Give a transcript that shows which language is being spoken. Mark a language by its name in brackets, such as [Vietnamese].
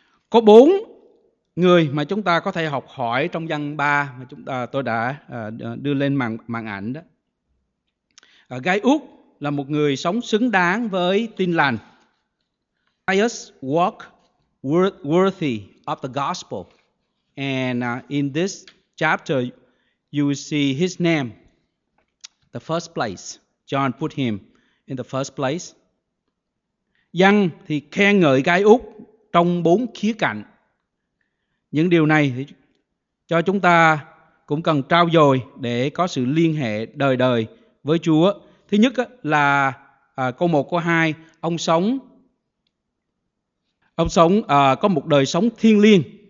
[Vietnamese] Có bốn người mà chúng ta có thể học hỏi trong văn ba mà tôi đã đưa lên màn ảnh đó. Gai-ước là một người sống xứng đáng với tin lành. [English] Gaius walk worthy of the gospel. And in this chapter you will see his name the first place. John put him in the first place. [Vietnamese] Giăng thì khen ngợi Gai-ước trong bốn khía cạnh. Những điều này thì cho chúng ta cũng cần trau dồi để có sự liên hệ đời đời với Chúa. Thứ nhất là câu 1, câu 2, ông sống có một đời sống thiêng liêng.